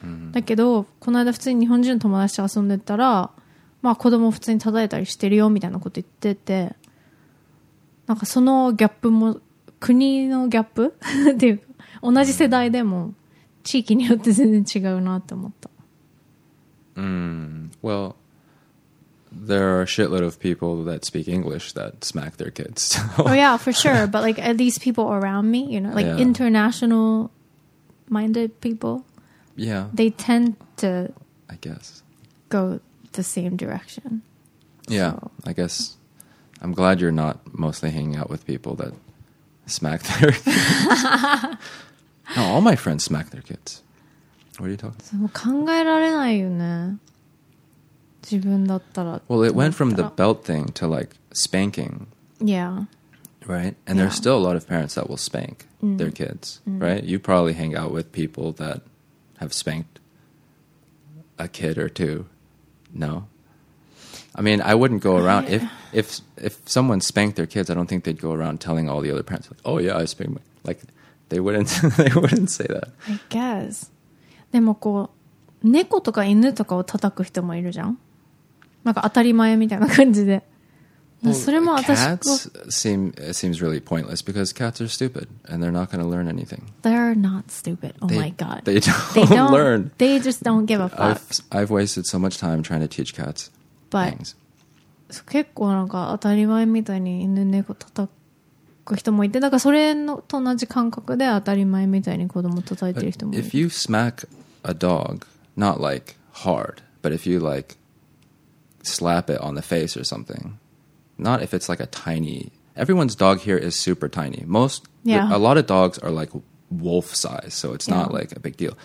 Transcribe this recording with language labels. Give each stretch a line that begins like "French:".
Japanese: だけど、この間普通に日本人の友達と遊んでたら、まあ子供を普通に叩いたりしてるよみたいなこと言ってて、なんかそのギャップも、国のギャップっていうか、同じ世代でも地域によって全然違うなって思った。
English: Well, there are a shitload of people that speak English that smack their kids. Oh yeah, for sure. But like at least people around me, you know, like international minded people. Yeah. They tend to, I guess, go the same direction. Yeah, so. I guess I'm glad you're not mostly hanging out with people that smack their kids. No, all my friends smack their kids. What are you talking about?
Japanese: 考えられないよね。自分だったら。
English: Well, it went from the belt thing to like spanking. Yeah. Right? And there's still a lot of parents that will spank their kids. Right? You probably hang out with people that have spanked a kid or two. No? I mean, I wouldn't go around. If someone spanked their kids, I don't think they'd go around telling all the other parents, like, oh yeah, I spanked my... Like, they wouldn't, they wouldn't say that. I guess.
Japanese: でもこう猫とか犬とかを叩く人もいるじゃん。なんか当たり前みたいな感じで。
English: Well,
Japanese: それも私こう。
English: Cats seems really pointless because cats are stupid and they're not going to learn anything. They're not stupid. Oh my god. They don't learn. They just don't give a fuck. I've wasted so much time trying to teach cats things.
Japanese: But 結構なんか当たり前みたいに犬猫叩く。人もいて、なんかそれのと同じ感覚で当たり前みたいに子供叩いてる人もいる。
English: If you smack a dog, not like hard, but if you like slap it on the face or something, not if it's like a tiny. Everyone's dog here is super tiny. Most, a lot of dogs are like wolf size, so it's not like a big deal.